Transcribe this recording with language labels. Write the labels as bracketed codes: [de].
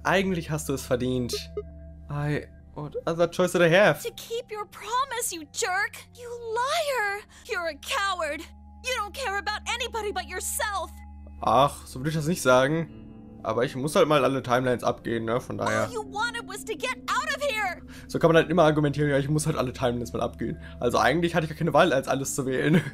[de] Eigentlich hast du es verdient. [en] I... What other choice did I have? To keep your promise, you jerk! You liar! You're a coward! You don't care about anybody but yourself! [de] Ach, so würde ich das nicht sagen. Aber ich muss halt mal alle Timelines abgehen, ne, von daher. [en] All you wanted was to get out of here! [de] So kann man halt immer argumentieren, ja, ich muss halt alle Timelines mal abgehen. Also eigentlich hatte ich gar keine Wahl, als alles zu wählen.